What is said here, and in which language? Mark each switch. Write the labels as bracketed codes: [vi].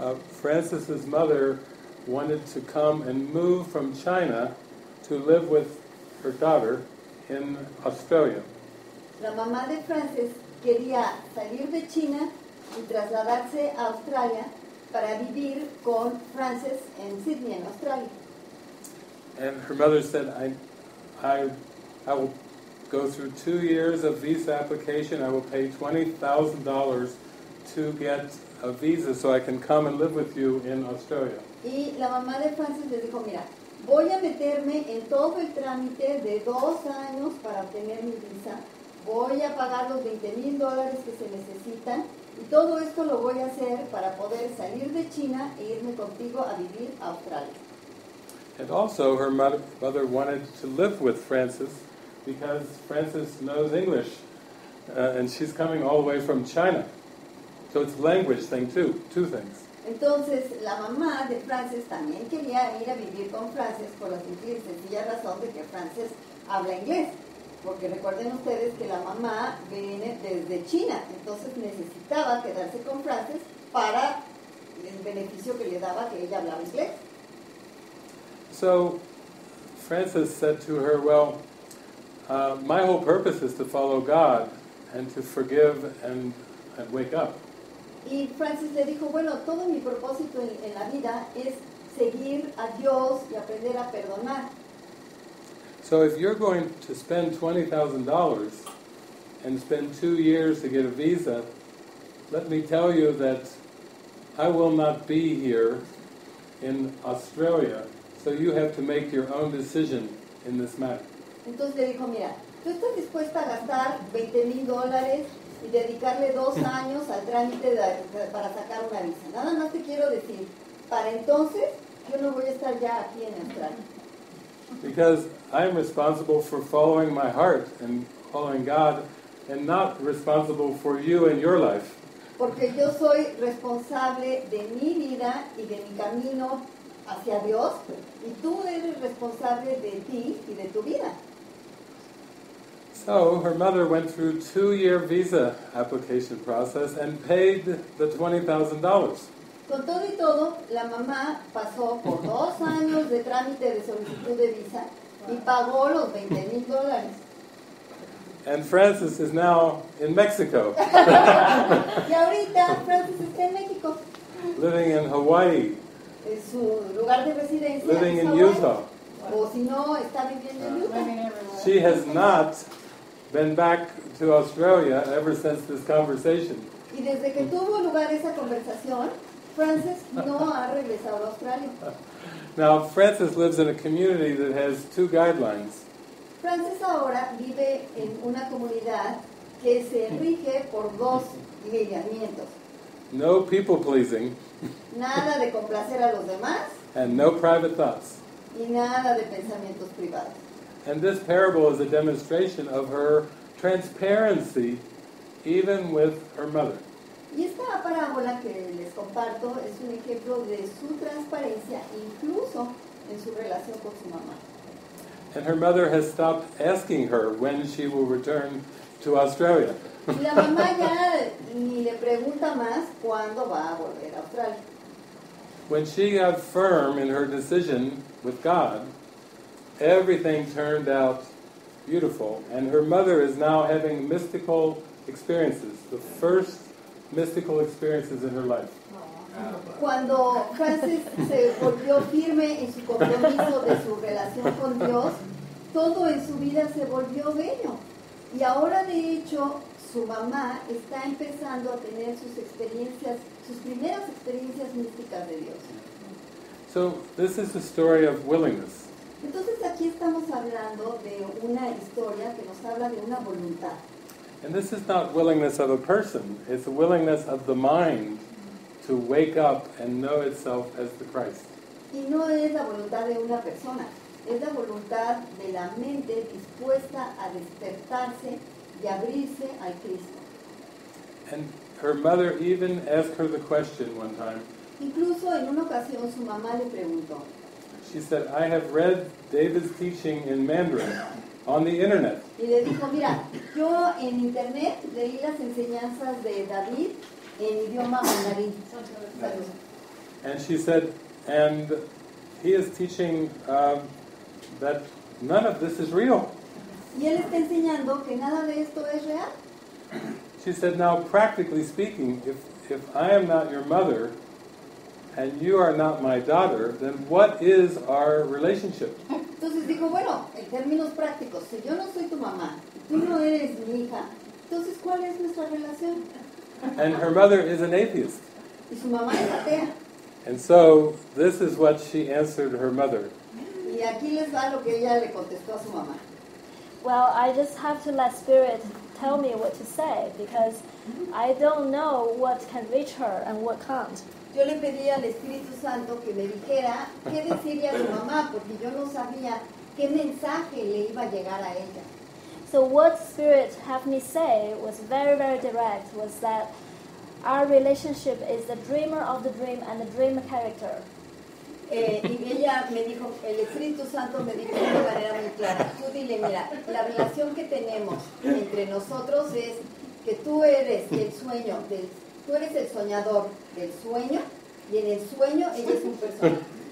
[en] Francis's mother wanted to come and move from China to live with her daughter in Australia. [es] La mamá de Frances quería salir de China y trasladarse a Australia para vivir con Frances en Sydney, en Australia. [en] And her mother said, I will go through 2 years of visa application. I will pay $20,000 to get a visa so I can come and live with you in Australia. [es] Y la mamá de Francis le dijo, mira, voy a meterme en todo el trámite de 2 años para obtener mi visa. Voy a pagar los $20,000 que se necesitan. Y todo esto lo voy a hacer para poder salir de China e irme contigo a vivir a Australia. [en] And also her mother wanted to live with Francis because Francis knows English. And she's coming all the way from China. So it's a language thing too, two things. [es] Entonces, la mamá de Francis también quería ir a vivir con Francis por la simple y sencilla razón de que Francis habla inglés. Porque recuerden ustedes que la mamá viene desde China. Entonces necesitaba quedarse con Francis para el beneficio que le daba que ella hablaba inglés. [en] So, Francis said to her, well, my whole purpose is to follow God and to forgive and wake up. [es] Y Francis le dijo, bueno, todo mi propósito en la vida es seguir a Dios y aprender a perdonar. [en] So if you're going to spend $20,000 and spend 2 years to get a visa, let me tell you that I will not be here in Australia, so you have to make your own decision in this matter. [es] Entonces le dijo, mira, ¿tú estás dispuesta a gastar $20,000 y dedicarle 2 años al trámite para sacar una visa? Nada más te quiero decir, para entonces yo no voy a estar ya aquí en Australia. [en] Because I am responsible for following my heart and following God and not responsible for you and your life. [es] Porque yo soy responsable de mi vida y de mi camino hacia Dios y tú eres responsable de ti y de tu vida. [en] So her mother went through 2-year visa application process and paid the $20,000. [es] Con todo y todo, la mamá pasó por 2 años de trámite de solicitud de visa y pagó los $20,000. [en] And Francis is now in Mexico. [es] Y ahorita Francis está en México. [en] Living in Hawaii. [es] Es su lugar de residencia. [en] Living in Utah. [es] O si no, está viviendo en Utah. [en] She has not been back to Australia ever since this conversation. [es] Y desde que tuvo lugar esa conversación, Francis no ha regresado a Australia. [en] Now, Francis lives in a community that has 2 guidelines. [es] Francis ahora vive en una comunidad que se rige por 2 lineamientos. [en] No people pleasing. [es] Nada de complacer a los demás. [en] And no private thoughts. [es] Y nada de pensamientos privados. [en] And this parable is a demonstration of her transparency, even with her mother. [es] Y esta parábola que les comparto es un ejemplo de su transparencia, incluso en su relación con su mamá. [en] And her mother has stopped asking her when she will return to Australia. [es] La mamá ya ni le pregunta más cuándo va a volver a Australia. [en] When she got firm in her decision with God, everything turned out beautiful, and her mother is now having mystical experiences, the first mystical experiences in her life. [es] Cuando Francis se volvió firme en su compromiso de su relación con Dios, todo en su vida se volvió bello. Y ahora, de hecho, su mamá está empezando a tener sus experiencias, sus primeras experiencias místicas de Dios. [en] So, this is a story of willingness. [es] Entonces aquí estamos hablando de una historia que nos habla de una voluntad. [en] And this is not willingness of a person, it's a willingness of the mind to wake up and know itself as the Christ. [es] Y no es la voluntad de una persona, es la voluntad de la mente dispuesta a despertarse y abrirse al Cristo. [en] And her mother even asked her the question one time. [es] Incluso en una ocasión su mamá le preguntó. [en] She said, I have read David's teaching in Mandarin on the internet. [es] Y le dijo, mira, yo en internet leí las enseñanzas de David en idioma mandarín. [en] And she said, and he is teaching that none of this is real. [es] Y él está enseñando que nada de esto es real. [en] She said, now practically speaking, if I am not your mother, and you are not my daughter, then what is our relationship? [es] Entonces dijo, bueno, en términos prácticos, si yo no soy tu mamá, tú no eres mi hija, entonces, ¿cuál es nuestra relación? [en] And her mother is an atheist. [es] Y su mamá es atea. [en] And so this is what she answered her mother. [es] Y aquí les va lo que ella le contestó a su mamá. [en] Well, I just have to let Spirit tell me what to say because I don't know what can reach her and what can't. [es] Yo le pedí al Espíritu Santo que me dijera qué decirle a su mamá porque yo no sabía qué mensaje le iba a llegar a ella. [en] So what Spirit had me say was very, very direct, was that our relationship is the dreamer of the dream and the dream character. [es] Y ella me dijo, el Espíritu Santo me dijo de manera muy clara, tú dile, mira, la relación que tenemos entre nosotros es que tú eres el sueño, tú eres el soñador del sueño, y en el sueño ella es un personaje.